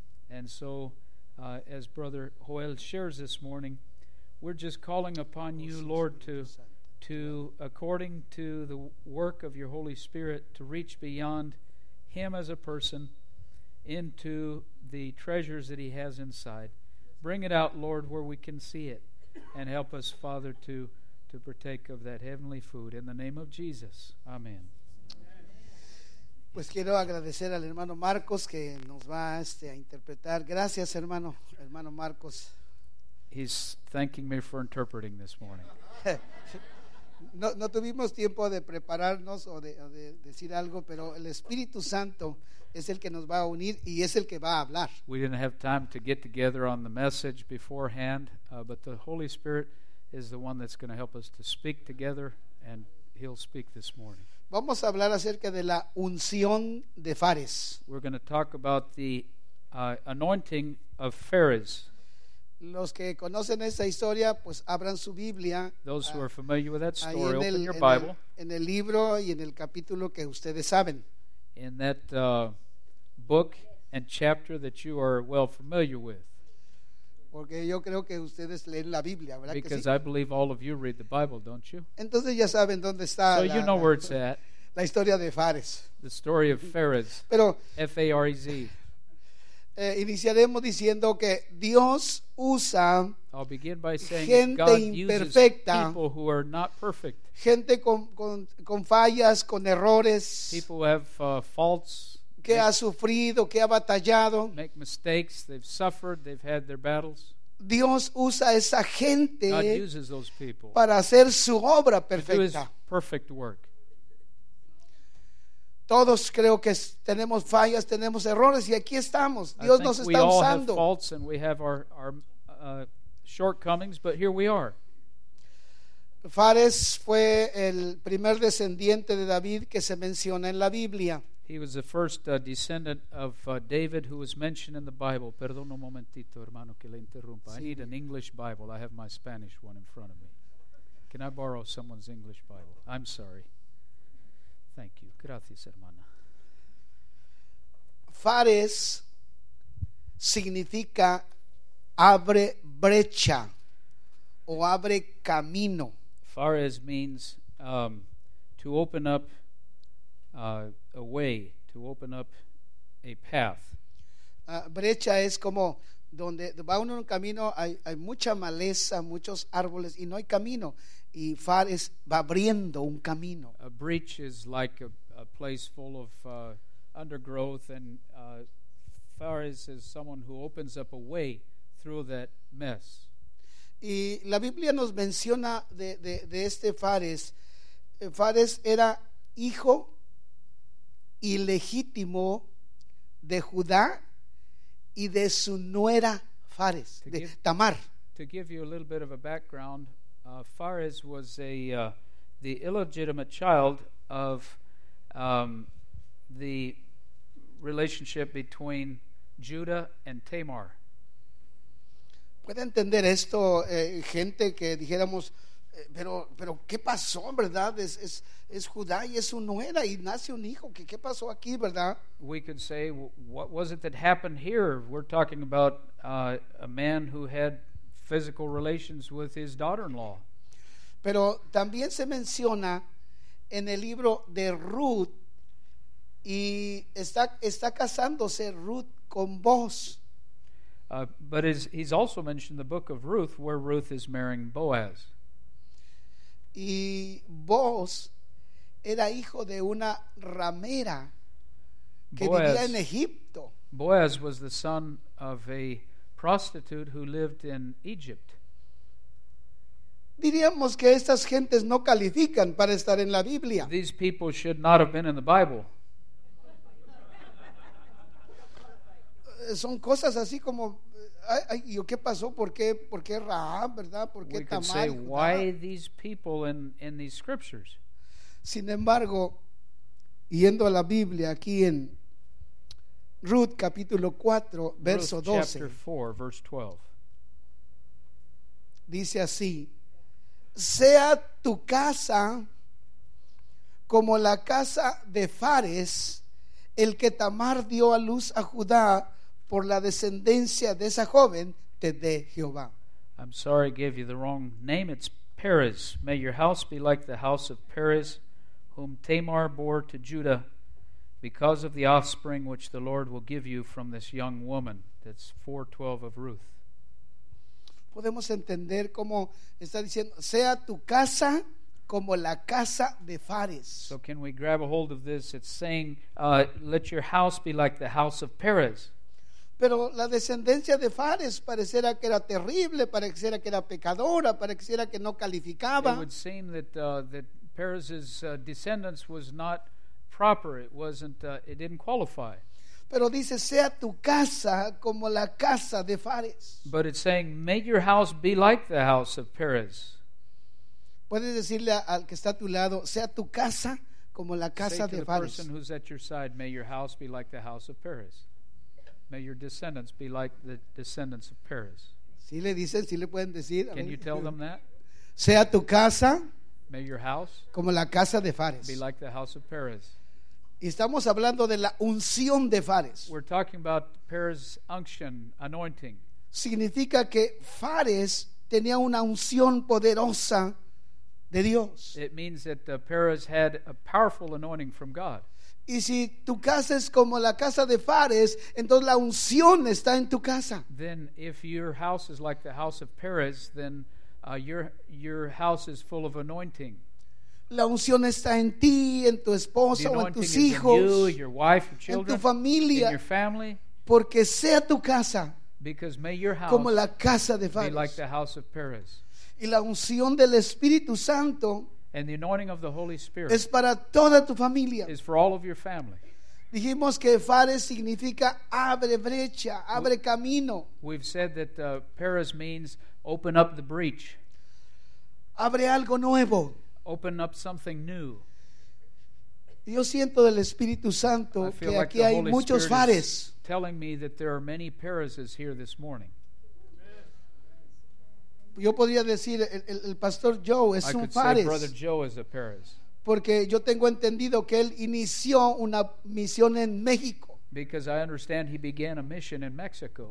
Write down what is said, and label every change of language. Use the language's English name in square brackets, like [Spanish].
[English] And so, as Brother Joel shares this morning, we're just calling upon you, Lord, to according to the work of your Holy Spirit, to reach beyond him as a person into the treasures that he has inside. Bring it out, Lord, where we can see it. And help us, Father, to partake of that heavenly food. In the name of Jesus. Amen. [Spanish] Pues quiero agradecer al hermano Marcos que nos va a interpretar. Gracias, hermano. Hermano Marcos. [English] He's thanking me for interpreting this morning. [Spanish] No tuvimos tiempo de prepararnos o de decir algo, pero el Espíritu Santo es el que nos va a unir y es el que va a hablar. [English] We didn't have time to get together on the message beforehand, but the Holy Spirit is the one that's going to help us to speak together, and he'll speak this morning. [Spanish] Vamos a hablar acerca de la unción de Fares. [English] We're going to talk about the anointing of Fares. [Spanish] Los que conocen esa historia, pues abran su Biblia. [English] Those who are familiar with that story, open your Bible. [Spanish] En el libro y en el capítulo que ustedes saben. [English] In that book and chapter that you are well familiar with. [Spanish] Porque yo creo que ustedes leen la Biblia, ¿verdad? [English] Because [Spanish] que sí? [English] I believe all of you read the Bible, don't you? [Spanish] Entonces ya saben dónde está. [English] So you know where it's at. [Spanish] La historia de Fares. [English] The story of Fares. [Spanish] Pero Fares. Iniciaremos diciendo que Dios usa gente imperfecta, [English] people who are not perfect. [Spanish] Gente con fallas, con errores, [English] people who have, faults, [Spanish] que ha sufrido, que ha batallado, [English] make mistakes, they've suffered, they've had their battles. [Spanish] Dios usa esa gente [English] God uses those people [Spanish] para hacer su obra perfecta. [English] To do his perfect work. [Spanish] Todos creo que tenemos fallas, tenemos errores y aquí estamos. Dios nos está usando. [English] We all have faults and we have our shortcomings, but here we are. [Spanish] Fares fue el primer descendiente de David que se menciona en la Biblia. [English] He was the first descendant of David who was mentioned in the Bible. [Spanish] Perdón un momentito, hermano, que le interrumpa. Sí. [English] I need an English Bible. I have my Spanish one in front of me. Can I borrow someone's English Bible? I'm sorry. Thank you. [Spanish] Gracias, hermana. Fares significa abre brecha o abre camino. [English] Fares means to open up a way, to open up a path. [Spanish] Brecha es como donde va uno en un camino, hay mucha maleza, muchos árboles y no hay camino. Y Fares va abriendo un camino. [English] A breach is like a place full of undergrowth, and Fares is someone who opens up a way through that mess. [Spanish] Y la Biblia nos menciona de este Fares. Fares era hijo ilegítimo de Judá y de su nuera Fares, de Tamar. [English] To give you a little bit of a background, Fares was the illegitimate child of the relationship between Judah and Tamar. [Spanish] ¿Puede entender esto, gente, que dijéramos, pero qué pasó, verdad? Es Judá y es su nuera y nace un hijo. ¿Qué pasó aquí, verdad? [English] We could say, what was it that happened here? We're talking about a man who had physical relations with his daughter-in-law. [Spanish] Pero también se menciona en el libro de Ruth, y está casándose Ruth con Boaz. [English] But he's also mentioned the book of Ruth, where Ruth is marrying Boaz. [Spanish] Y Boaz era hijo de una ramera que vivía en Egipto. [English] Boaz was the son of a prostitute who lived in Egypt. [Spanish] Diríamos que estas gentes no califican para estar en la Biblia. [English] These people should not have been in the Bible. [Spanish] Son cosas así como, ay, ¿qué pasó? ¿Por qué Rahab, verdad? ¿Por qué Tamar? [English] We could say, why these people in these scriptures? [Spanish] Sin embargo, yendo a la Biblia aquí en Ruth capítulo 4, verso 12. [English] Ruth chapter 4, verse [Spanish] 12. Dice así: sea tu casa como la casa de Fares, el que Tamar dio a luz a Judá por la descendencia de esa joven, te dé Jehová. [English] I'm sorry I gave you the wrong name. It's Perez. May your house be like the house of Perez, whom Tamar bore to Judah, because of the offspring which the Lord will give you from this young woman. That's 4:12 of Ruth. [Spanish] Podemos entender cómo está diciendo, sea tu casa como la casa de Fares. [English] So can we grab a hold of this? It's saying, let your house be like the house of Perez. [Spanish] Pero la descendencia de Fares pareciera que era terrible, pareciera que era pecadora, pareciera que no calificaba. [English] It would seem that Perez's descendants was not proper. It wasn't, it didn't qualify. [Spanish] Pero dice, sea tu casa como la casa de Fares. [English] But it's saying, may your house be like the house of Perez. [Spanish] Puedes decirle al que está a tu lado, sea tu casa como la casa de Fares. [English] Say to the person who's at your side, may your house be like the house of Perez. May your descendants be like the descendants of Perez. [Spanish] Sí le dicen, sí le pueden decir. [English] Can you tell them that? [Spanish] Sea tu casa. [English] May your house. [Spanish] Como la casa de Fares. [English] Be like the house of Perez. [Spanish] Y estamos hablando de la unción de Fares. [English] We're talking about Perez's unction, anointing. [Spanish] Significa que Fares tenía una unción poderosa de Dios. [English] It means that Perez had a powerful anointing from God. [Spanish] Y si tu casa es como la casa de Fares, entonces la unción está en tu casa. [English] Then if your house is like the house of Perez, then your house is full of anointing. [Spanish] La unción está en ti, en tu esposa o en tus hijos, [English] you, your wife, your children, [Spanish] en tu familia, [English] in your family, [Spanish] porque sea tu casa [English] may your house [Spanish] como la casa de Fares. [English] Be like the house of Perez. [Spanish] Y la unción del Espíritu Santo, [English] and the anointing of the Holy Spirit, [Spanish] es para toda tu familia. [English] Is for all of your family. [Spanish] Dijimos que Fares significa abre brecha, abre camino. [English] We've said that Perez means open up the breach. [Spanish] Abre algo nuevo. [English] Open up something new. [Spanish] Yo siento del Espíritu Santo que [English] like [Spanish] aquí hay muchos Fares. [English] Telling me that there are many Perezes here this morning. [Spanish] Yo podría decir el pastor Joe es un [English] Fares. Brother Joe is a Perez. [Spanish] Porque yo tengo entendido que él inició una misión en México. [English] Because I understand he began a mission in Mexico.